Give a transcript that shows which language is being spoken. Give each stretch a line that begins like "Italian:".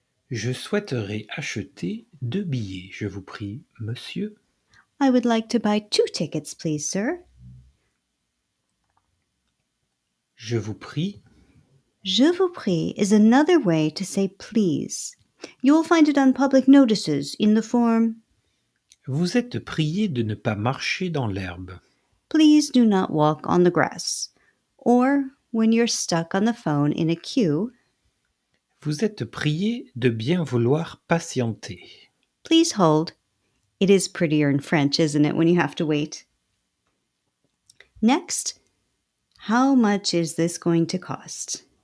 French: Je souhaiterais acheter deux billets, je vous prie, monsieur.
English: I would like to buy two tickets, please, sir.
French: Je vous prie. Je vous prie
English: is another way to say please. You will find it on public notices in the form
French: vous êtes prié de ne pas marcher dans l'herbe.
English: Please do not walk on the grass. Or when you're stuck on the phone in a queue.
French: Vous êtes prié de bien vouloir patienter.
English: Please hold. It is prettier in French, isn't it, when you have to wait? Next, how much is this going to cost?